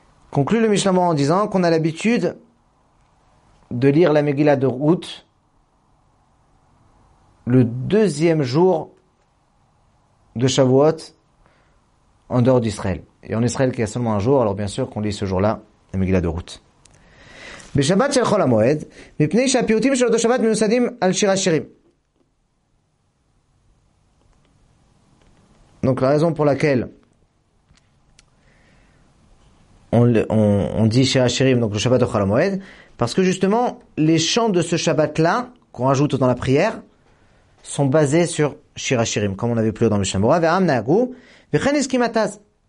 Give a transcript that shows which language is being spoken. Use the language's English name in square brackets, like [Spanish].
[French] Conclut le Mishnah Berurah en disant qu'on a l'habitude de lire la Megillah de Ruth le deuxième jour de Shavuot en dehors d'Israël. Et en Israël qu'il y a seulement un jour, alors bien sûr qu'on lit ce jour-là la Megillah de Ruth. [Hebrew] בשבת של חול המועד, מפני שהפיוטים של אותו שבת מיוסדים על שיר השירים. [French] Donc la raison pour laquelle on dit Shir HaShirim, donc le Shabbat de Chol HaMoed, parce que justement, les chants de ce Shabbat-là, qu'on ajoute dans la prière, sont basés sur Shir HaShirim, comme on avait plus haut dans le Mishnah Berurah, [Hebrew] Ve'am Na'agu, Ve'chen Iskim HaTaz.